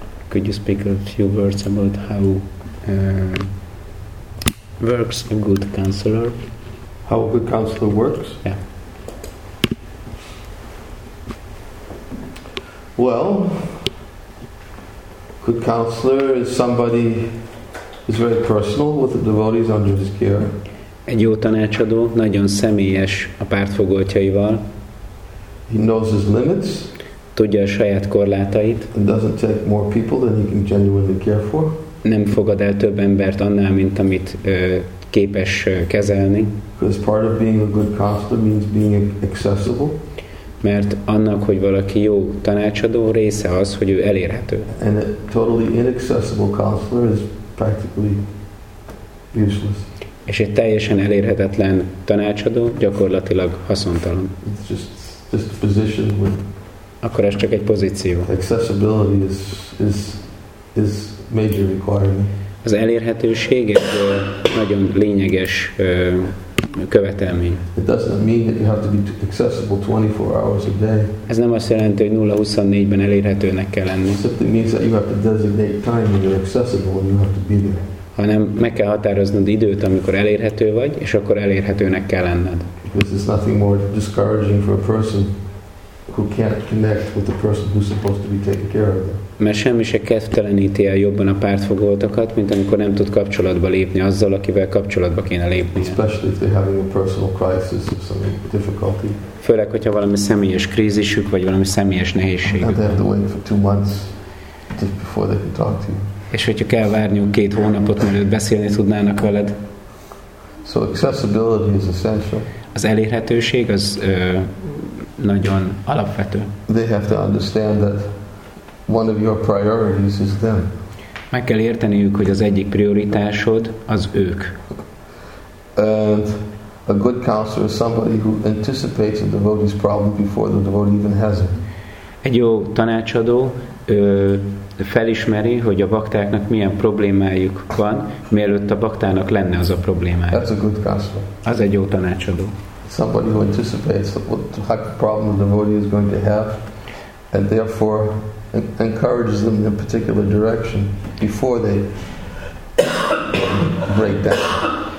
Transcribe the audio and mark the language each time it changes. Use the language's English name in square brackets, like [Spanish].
[English] Could you speak a few words about how works a good counselor? How a good counselor works? Yeah. Well, a good counselor is somebody who's very personal with the devotees under his care. [Hungarian] Egy jó tanácsadó, nagyon személyes a pártfogoltjaival. [English] He knows his limits. [Hungarian] Tudja a saját korlátait. [English] And doesn't take more people than he can genuinely care for. [Hungarian] Nem fogad el több embert annál, mint amit képes kezelni. [English] Because part of being a good counselor means being accessible. [Hungarian] Mert annak, hogy valaki jó tanácsadó, része az, hogy ő elérhető. [English] And a totally inaccessible counselor is practically useless. [Hungarian] És egy teljesen elérhetetlen tanácsadó gyakorlatilag haszontalan. [English] It's just a position with. [Hungarian] Akkor ez csak egy pozíció. [English] Accessibility is major requirement. [Hungarian] Az elérhetőség egy nagyon lényeges követelmény. [English] It doesn't mean that you have to be accessible 24 hours a day. [Hungarian] Ez nem azt jelenti, hogy 0-24-ben elérhetőnek kell lenni. [English] It simply means that you have to designate time when you're accessible and you have to be there. [Hungarian] hanem meg kell határoznod időt, amikor elérhető vagy, és akkor elérhetőnek kell lenned. [English] This is nothing more discouraging for a person who can't connect with the person who's supposed to be taking care of them. [Hungarian] Mert semmi se kedvteleníti el jobban a pártfogoltakat, mint amikor nem tud kapcsolatba lépni azzal, akivel kapcsolatba kéne lépni. [English] Especially if they're having a personal crisis or some difficulty. [Hungarian] Főleg, hogyha valami személyes krízisük, vagy valami személyes nehézségük. [English] And they have to wait for 2 months just before they can talk to you. [Hungarian] És hogyha kell várniuk 2 hónapot, mielőtt beszélni tudnának veled. [English] So accessibility is essential. [Hungarian] Az elérhetőség az nagyon alapvető. [English] They have to understand that one of your priorities is them. [Hungarian] Meg kell érteniük, hogy az egyik prioritásod az ők. [English] And a good counselor is somebody who anticipates a devotee's problem before the devotee even has it. [Hungarian] Egy jó tanácsadó felismeri, hogy a baktáknak milyen problémájuk van, mielőtt a baktának lenne az a problémája. [English] That's a good counselor. [Hungarian] Az egy jó tanácsadó. [English] Somebody who anticipates what problem the devotee is going to have, and therefore encourages them in a particular direction before they break down.